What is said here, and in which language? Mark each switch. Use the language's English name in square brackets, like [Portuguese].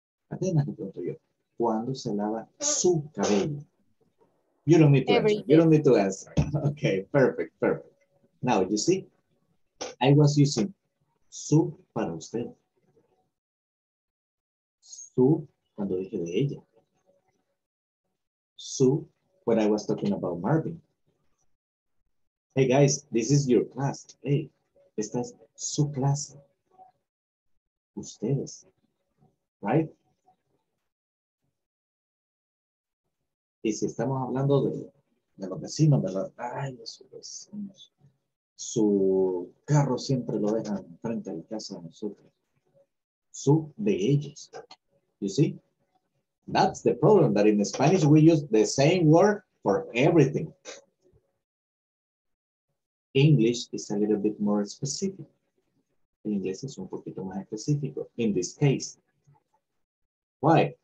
[Spanish] Atenas, le pregunto yo, ¿cuándo se lava su cabello? [English] You don't need to answer. You don't need to answer. Okay, perfect, perfect. Now, you see, I was using [Spanish] su para usted. Su, cuando dije de ella. Su, [English] when I was talking about Marvin. Hey guys, this is your class. [Spanish] Hey, esta es su clase. Ustedes, right? Y si estamos hablando de los vecinos, ¿verdad? Ay, de sus vecinos. Su carro siempre lo dejan frente a la casa de nosotros. Su, de ellos. [English] You see? That's the problem, that in Spanish we use the same word for everything. English is a little bit more specific. [Spanish] El inglés es un poquito más específico [English] in this case. Why?